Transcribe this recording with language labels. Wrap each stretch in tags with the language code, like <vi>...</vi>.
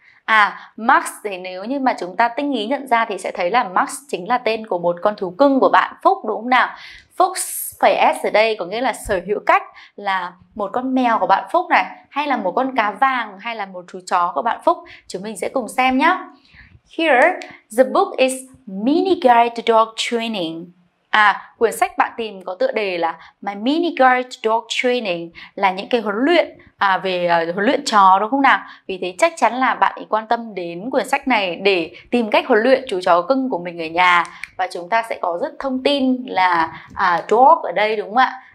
<vi>À, Max thì nếu như mà chúng ta tinh ý nhận ra thì sẽ thấy là Max chính là tên của một con thú cưng của bạn Phúc đúng không nào? Phúc phải S ở đây có nghĩa là sở hữu cách là một con mèo của bạn Phúc này, hay là một con cá vàng, hay là một chú chó của bạn Phúc. Chúng mình sẽ cùng xem nhé.</vi> <en>Here, the book is Mini Guide to Dog Training.</en> <vi>À, quyển sách bạn tìm có tựa đề là My Mini Guide to Dog Training, là những cái huấn luyện về huấn luyện chó đúng không nào? Vì thế chắc chắn là bạn ấy quan tâm đến quyển sách này để tìm cách huấn luyện chú chó cưng của mình ở nhà. Và chúng ta sẽ có rất thông tin là dog ở đây đúng không ạ?</vi>